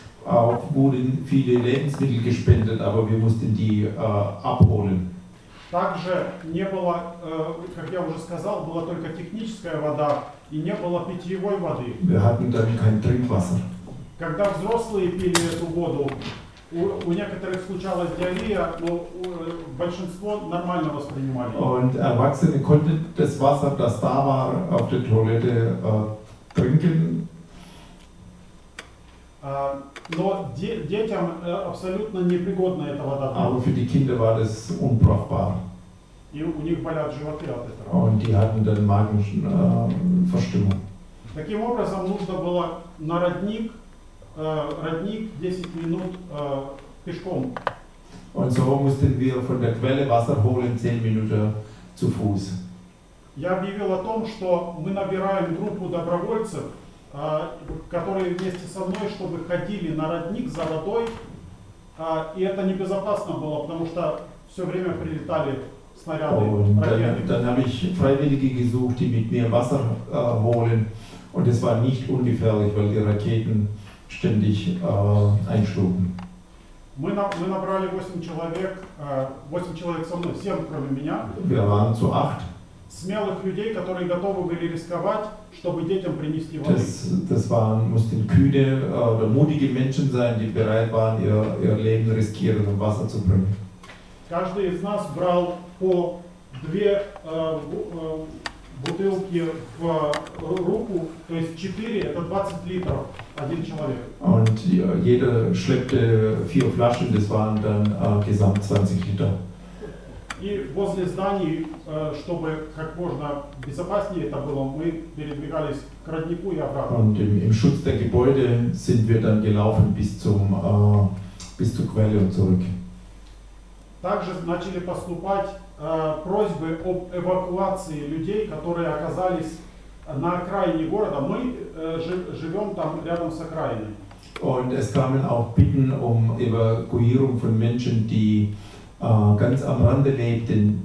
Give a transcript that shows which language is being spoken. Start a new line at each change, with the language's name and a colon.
German: Auch wurden viele Lebensmittel gespendet, aber wir mussten die abholen.
Russian: Также не было, как я уже сказал, была только техническая вода и не было питьевой воды.
German: Wir hatten dann kein Trinkwasser.
Russian: Когда взрослые пили эту воду, у некоторых случалась диарея, но большинство нормально воспринимали.
German: Und Erwachsene konnten das Wasser, das da war, auf der Toilette trinken.
Russian: Но детям абсолютно непригодна эта вода.
German: Aber für die Kinder war das unbrauchbar.
Russian: И у них болят животы от этого.
German: Und die hatten dann Magenverstimmung.
Russian: Таким образом, нужно было на родник, родник 10 минут пешком.
German: Und so mussten wir von der Quelle Wasser holen 10 Minuten zu Fuß.
Russian: Я объявил о том, что мы набираем группу добровольцев, которые вместе со мной, чтобы ходили на родник за водой, и это небезопасно было, потому что все время прилетали снаряды, ракеты.
German: Dann habe ich Freiwillige gesucht, die mit mir Wasser holen, und es war nicht ungefährlich, weil die Raketen ständig einschlugen.
Russian: Мы набрали 8 человек, 8 человек со мной, 7 кроме меня.
German: Wir waren zu 8.
Russian: Смелых людей, которые готовы были рисковать, чтобы детям принести воды.
German: Das waren, mussten kühne oder mutige Menschen sein, die bereit waren, ihr Leben riskieren, um Wasser zu bringen.
Russian: Каждый из нас брал по 2 бутылки в руку, то есть 4, это 20 литров, один человек.
German: Und jeder schleppte 4 Flaschen, das waren dann gesamt 20 Liter.
Russian: И возле зданий, чтобы как можно безопаснее это было, мы передвигались к роднику и обратно.
German: Und im Schutz der Gebäude sind wir dann gelaufen bis zur Quelle und zurück.
Russian: Также начали поступать просьбы об эвакуации людей, которые оказались на окраине города. Мы живем там рядом с окраиной.
German: Und es kamen auch Bitten um Evakuierung von Menschen, die ganz am Rande lebten.